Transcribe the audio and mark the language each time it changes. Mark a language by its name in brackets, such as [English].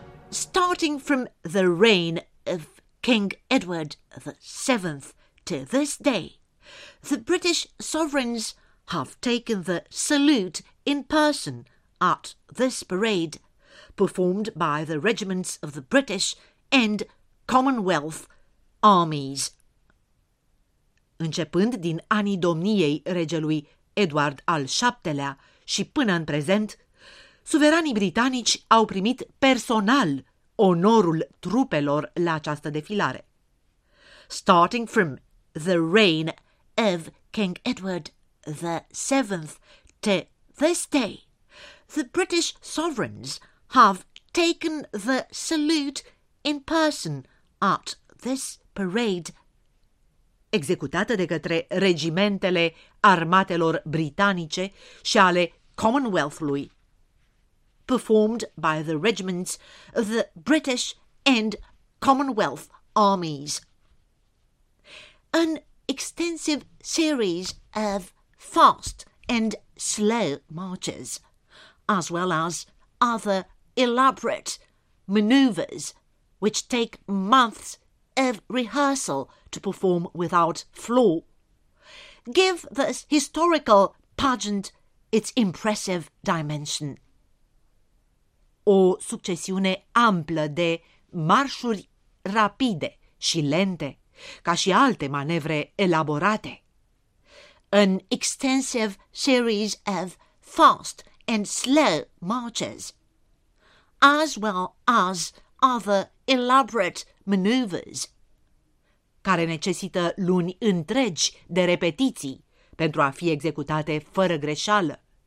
[English] Starting from the reign of King Edward VII to this day, the British sovereigns have taken the salute in person at this parade, performed by the regiments of the British and Commonwealth armies. [Romanian] Începând din anii domniei regelui Edward al VII-lea și până în prezent, suveranii britanici au primit personal onorul trupelor la această defilare. [English] Starting from the reign of King Edward VII to this day, the British sovereigns have taken the salute in person at this parade. [Romanian] executată de către regimentele armatelor britanice și ale Commonwealth-ului. [English] Performed by the regiments of the British and Commonwealth armies. An extensive series of fast and slow marches, as well as other elaborate manoeuvres which take months of rehearsal to perform without flaw, give this historical pageant its impressive dimension. [Romanian] O succesiune amplă de marșuri rapide și lente, ca și alte manevre elaborate. [English] An extensive series of fast and slow marches, as well as other elaborate maneuvers, [Romanian] care necesită luni întregi de repetiții pentru a fi executate fără greșeală,